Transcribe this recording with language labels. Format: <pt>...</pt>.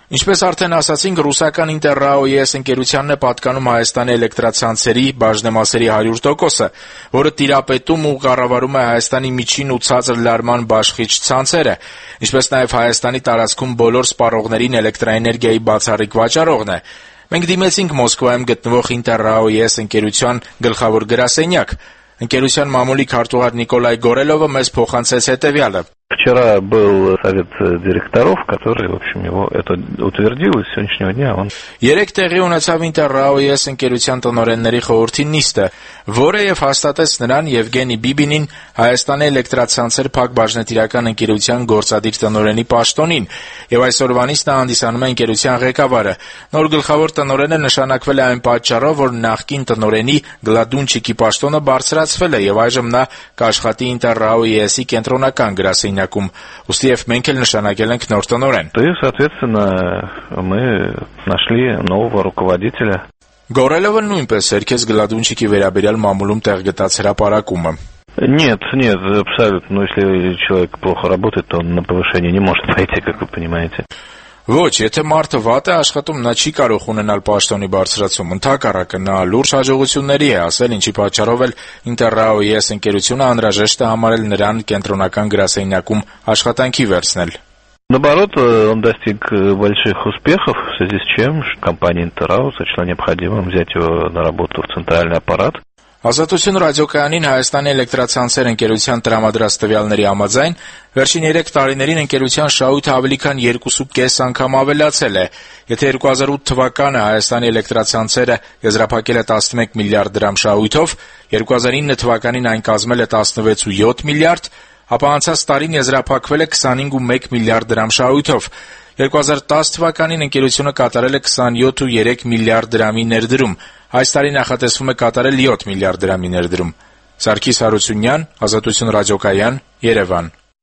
<hy>Ինչպես արդեն ասացինք, ռուսական Ինտերրաո ԵՍ ընկերությանն է պատկանում Հայաստանի էլեկտրացանցերի բաժնամասերի 100%-ը, որը տիրապետում ու կառավարում է Հայաստանի միջին ու ցածր լարման բաշխիչ ցանցերը, ինչպես նաև Հայաստանի տարածքում բոլոր սպառողներին էլեկտրաէներգիայի բացառիկ վաճառողն է։ Մենք դիմեցինք Մոսկվայում գտնվող Ինտերրաո ԵՍ ընկերության գլխավոր գրասենյակ։ Ընկերության մամուլի քարտուղար Նիկոլայ Գորելովը մեզ փոխանցեց հետևյալը.</hy> <ru>Вчера был совет директоров, который, в общем, его это утвердил, и с сегодняшнего дня он...</ru> <hy>Երեք տեղի ունեցավ Ինտերրաո ԵՍ ընկերության տնօրենների խորհրդի նիստը, որը եւ հաստատեց նրան Եվգենի Բիբինին Հայաստանի էլեկտրացանցեր փակ բաժնետիրական ընկերության գործադիր տնօրենի պաշտոնին, եւ այսօրվանից նա հանդիսանում է ընկերության ղեկավարը։ Նոր գլխավոր տնօրենը նշանակվել է այն պատճառով, որ նախկին տնօրենի Գլադունչիկի պաշտոնը բարձրացվել է եւ այժմ նա կաշխատի Ինտերրաո ԵՍ-ի կենտրոնական գրաս Սենյակում, ուստի եվ մենք էլ նշանակել ենք նոր տնօրեն։ Գորելովը նույնպես Սերգես Գլադունչիկի վերաբերյալ մամուլում տեղ գտած հրապարակումը։</hy> <ru>Нет, абсолютно. Но если человек плохо работает, то он на повышение не может пойти, как вы понимаете.</ru> <hy>Ոչ, եթե մարդը վատ է աշխատում, նա չի կարող ունենալ պաշտոնի բարձրացում, ընդհակառակը նա լուրջ հաջողությունների է ասել, ինչի պատճառով էլ Ինտերրաո ԵՍ ընկերությունը անհրաժեշտ է համարել նրան կենտրոնական գրասենյակում աշխատանքի վերցնել։</hy> <ru>Наоборот, он достиг больших успехов, в связи с чем компания Интеррао сочла необходимым взять его на работу в центральный аппарат.</ru> <hy>Ազատություն ռադիոկայանին Հայաստանի էլեկտրացանցեր ընկերության տրամադրած տվյալների համաձայն, վերջին 3 տարիներին ընկերության շահույթը ավելի քան 2.5 անգամ ավելացել է։ Եթե 2008 թվականը Հայաստանի էլեկտրացանցերը եզրափակել է 11 միլիարդ դրամ շահույթով, 2009 թվականին այն կազմել է 16.7 միլիարդ, ապա անցած տարին եզրափակվել է 25.1 միլիարդ դրամ շահույթով։ 2010 թվականին ընկերությունը կատարել է 27.3 միլիարդ դրամի ներդրում։ Այս տարի նախատեսվում է կատարել 7 միլիարդ դրամի ներդրում։ Սարգիս Հարությունյան, Ազատություն ռադիոկայան, Երևան։</hy>